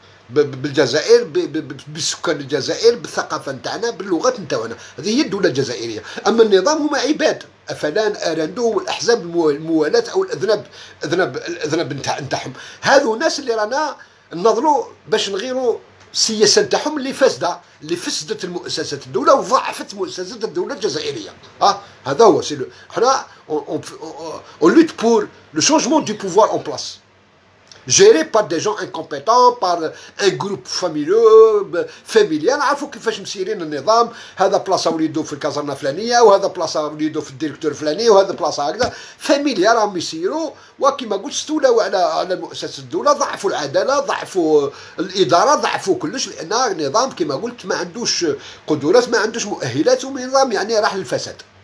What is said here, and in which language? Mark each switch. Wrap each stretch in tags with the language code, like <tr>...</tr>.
<ar>بالجزائر بسكان الجزائر بالثقافة نتاعنا باللغة نتاعنا، هذه هي الدولة الجزائرية، أما النظام هما عباد أفلان أرندو والأحزاب الموالاة أو الأذنب أذنب الأذنب نتاعهم، هذو ناس اللي رانا نظلوا باش نغيروا السياسة نتاعهم اللي فاسدة، اللي فسدت المؤسسة الدولة وضعفت مؤسسة الدولة الجزائرية، ها هذا هو</ar> <fr>سي حنا أون لوت بور لو شونجمون دو بوفوار أون بلاس. Géré par des gens incompétents, par un groupe familial.</fr> <ar>عرفوا كيفاش مسيرين النظام، هذا بلاصة وليدو في الكازرنة الفلانية، وهذا بلاصة وليدو في الديريكتور الفلاني، وهذا بلاصة هكذا، فاميليال راهم يسيروا، وكما قلت استولوا على مؤسسة الدولة، ضعفوا العدالة، ضعفوا الإدارة، ضعفوا كلش، لأن النظام كما قلت ما عندوش قدرات، ما عندوش مؤهلات، ونظام يعني راح للفساد.</ar>